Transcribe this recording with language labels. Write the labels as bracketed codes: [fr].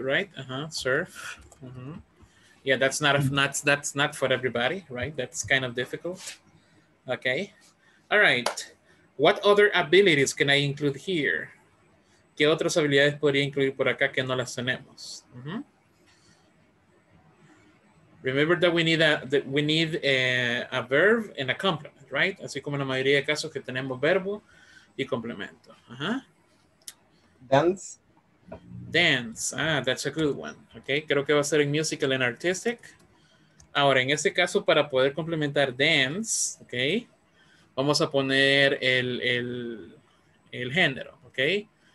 [en] right? Uh-huh. Surf. Mm-hmm. Yeah, that's not for everybody, right? That's kind of difficult. Okay. All right. What other abilities can I include here? [es] ¿Qué otras habilidades podría incluir por acá que no las tenemos? Mm-hmm. [en] Remember that we need a verb and a complement. [es] Right? Así como en la mayoría de casos que tenemos verbo y complemento. Uh-huh. [en] Dance. Dance. Ah, that's a good one. Okay, [es] creo que va a ser en [en] musical and artistic. [es] Ahora, en este caso, para poder complementar dance, okay, vamos a poner el género, okay.